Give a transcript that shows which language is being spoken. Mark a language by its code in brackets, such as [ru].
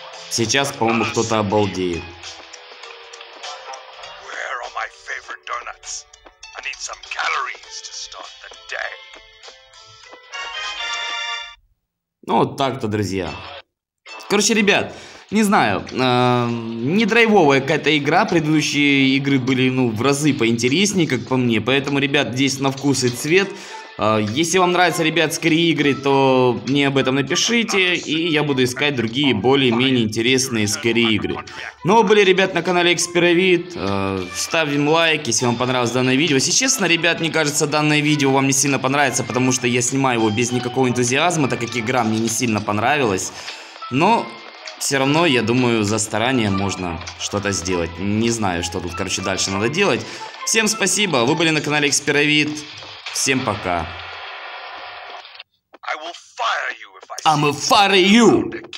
[ru] Сейчас, по-моему, кто-то обалдеет. [en] Where are my favorite donuts? I need some calories to start the day. [ru] Ну вот так-то, друзья. Короче, ребят, не знаю, не драйвовая какая-то игра. Предыдущие игры были, ну, в разы поинтереснее, как по мне. Поэтому, ребят, здесь на вкус и цвет. Если вам нравятся, ребят, скорее игры, то мне об этом напишите, и я буду искать другие более-менее интересные скорее игры. Ну, вы были, ребят, на канале Экспировид. Ставим лайк, если вам понравилось данное видео. Если честно, ребят, мне кажется, данное видео вам не сильно понравится, потому что я снимаю его без никакого энтузиазма, так как игра мне не сильно понравилась. Но все равно, я думаю, за старание можно что-то сделать. Не знаю, что тут, короче, дальше надо делать. Всем спасибо, вы были на канале Экспировид. Всем пока. [en] I will fire you if I see you. I'm a fire you.